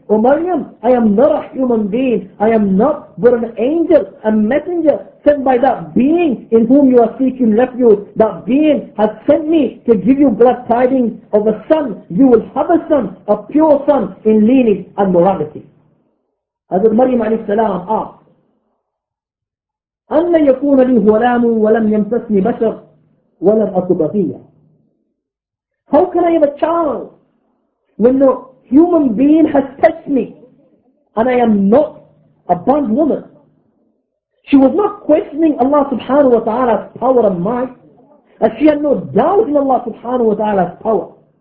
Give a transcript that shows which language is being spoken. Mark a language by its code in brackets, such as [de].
[en] O Maryam, I am not a human being. I am not but an angel, a messenger sent by that being in whom you are seeking refuge. That being has sent me to give you glad tidings of a son. You will have a son, a pure son in lineage and morality. Hazrat Maryam alayhi salam asked, [ar] أَنَّ يَكُونَ لِي غُلَامٌ وَلَمْ يَمْسَسْنِي بَشَرٌ وَلَمْ أَكُ بَغِيًّا. [en] How can I have a child when no human being has touched me and I am not a bond woman? She was not questioning Allah subhanahu wa ta'ala's power and might, as she had no doubt in Allah subhanahu wa ta'ala's power.